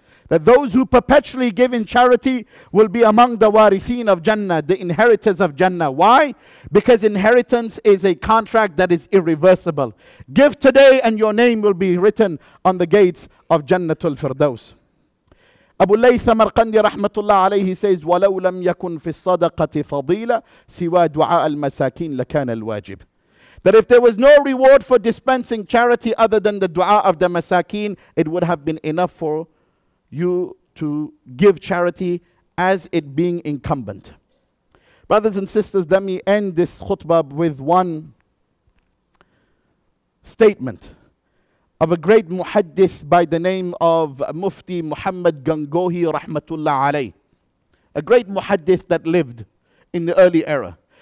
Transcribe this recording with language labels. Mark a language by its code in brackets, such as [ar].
[en] That those who perpetually give in charity will be among the warithin of Jannah, the inheritors of Jannah. Why? Because inheritance is a contract that is irreversible. Give today and your name will be written on the gates of Jannatul Firdaus. Abu Layth Samarqandi rahmatullah alayhi says, [ar] وَلَوْ لَمْ يَكُنْ فِي الصَّدَقَةِ فَضِيلًا سِوَى دُعَاءَ الْمَسَاكِينَ لَكَانَ الْوَاجِبِ. [en] That if there was no reward for dispensing charity other than the dua of the masakeen, it would have been enough for you to give charity as it being incumbent. Brothers and sisters, let me end this khutbah with one statement of a great muhaddith by the name of Mufti Muhammad Gangohi rahmatullah alayh, a great muhaddith that lived in the early era.